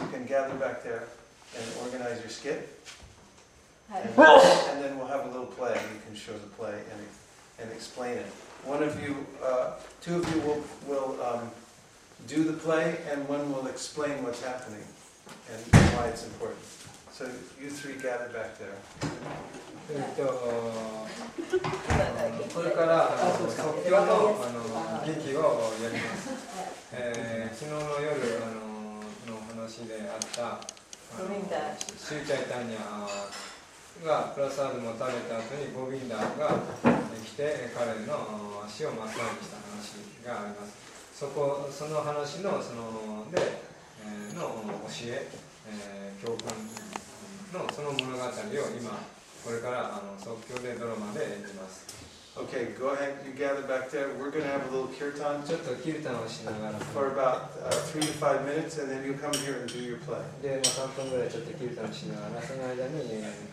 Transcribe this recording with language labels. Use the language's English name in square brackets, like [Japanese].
[English] You can gather back there and organize your skit. And then we'll have a little play. You can show the play and explain it. One of you, two of you will do the play, and one will explain what's happening and why it's important. So you three gather back there. [Japanese] これから即興の劇をやります。昨日の夜の話であったシューチャイタニャがプラサードも食べた後にゴビンダが来て彼の足をマッサージした話があります。その話のそのでの教え教訓のその物語を今これから即興でドラマで演じます。 [English] OK, go ahead, you gather back there. We're going to have a little kirtan. [Japanese] ちょっとキルタンをしながら [English] for about 3-5 minutes and then you come here and do your play. [Japanese] で、まあ、3分ぐらいちょっとキルタンをしながらその間に、